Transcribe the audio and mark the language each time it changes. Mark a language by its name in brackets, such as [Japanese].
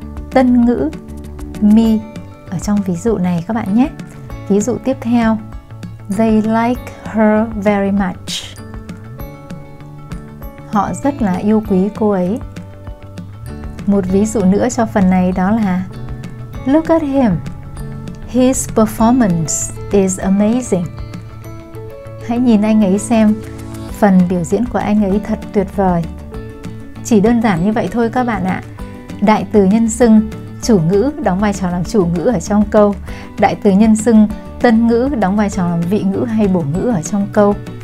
[Vietnamese] Tân ngữ me ở trong ví dụ này các bạn nhé. Ví dụ tiếp theo. [English] They like her very much. [Vietnamese] Họ rất là yêu quý cô ấy. Một ví dụ nữa cho phần này đó là [English] look at him. His performance is amazing. [Vietnamese] Hãy nhìn anh ấy xem, phần biểu diễn của anh ấy thật tuyệt vời. Chỉ đơn giản như vậy thôi các bạn ạ. Đại từ nhân xưng chủ ngữ đóng vai trò làm chủ ngữ ở trong câu. Đại từ nhân xưng tân ngữ đóng vai trò làm vị ngữ hay bổ ngữ ở trong câu.